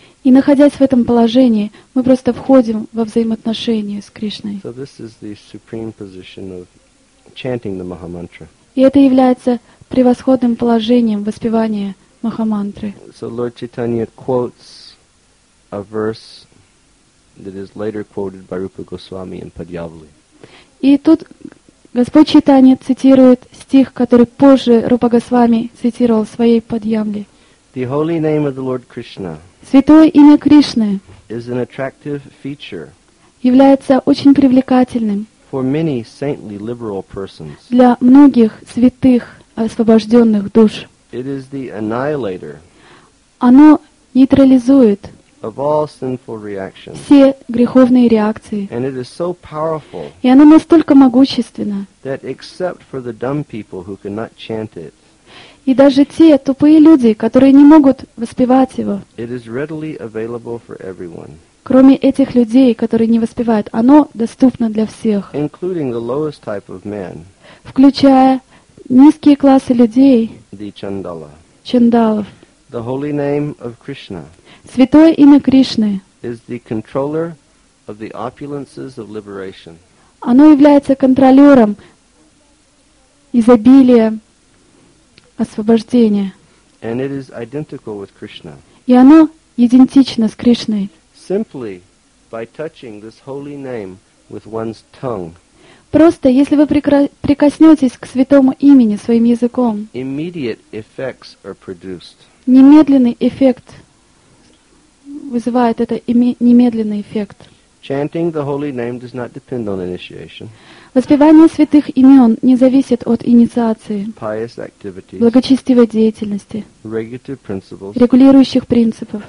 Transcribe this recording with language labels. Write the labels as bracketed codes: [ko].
[ru] И находясь в этом положении, мы просто входим во взаимоотношения с Кришной. [en] So this is the supreme position of chanting the Mahamantra. [ru] И это является превосходным положением воспевания Махамантры. [en] So Lord Chaitanya quotes a verse that is later quoted by Rupa Goswami in Padyavali. [ru] И тут Господь Чайтанья цитирует стих, который позже Рупа Госвами цитировал в своей Падьямле. [en] The holy name of the Lord Krishna. [ru] Святое имя Кришны. [en] Is an attractive feature. [ru] Является очень привлекательным. [en] For many saintly liberal persons. [ru] Для многих святых освобожденных душ. [en] It is the annihilator. [ru] Оно нейтрализует. [en] Of all sinful reactions. [ru] Все греховные реакции. [en] And it is so powerful. [ru] И оно настолько могущественно. [en] That except for the dumb people who cannot chant it. [ru] И даже те тупые люди, которые не могут воспевать его. [en] It is readily available for everyone. [ru] Кроме этих людей, которые не воспевают, оно доступно для всех. [en] Including the lowest type of man. [ru] Включая низкие классы людей. [en] The chandala. [ru] Чандалов. [en] The holy name of Krishna. [ru] Святое имя Кришны. [en] Is the controller of the opulences of liberation. [ru] Оно является контролером изобилия освобождения. [en] And it is identical with Krishna. [ru] И оно идентично с Кришной. [en] Simply by touching this holy name with one's tongue. [ru] Просто, если вы прикоснетесь к святому имени своим языком, [en] immediate effects are produced. [ru] Немедленный эффект вызывает это немедленный эффект. [en] Chanting the holy name does not depend on initiation. [ru] Воспевание святых имен не зависит от инициации, [en] pious activities, [ru] благочестивой деятельности, [en] regulative principles, [ru] регулирующих принципов,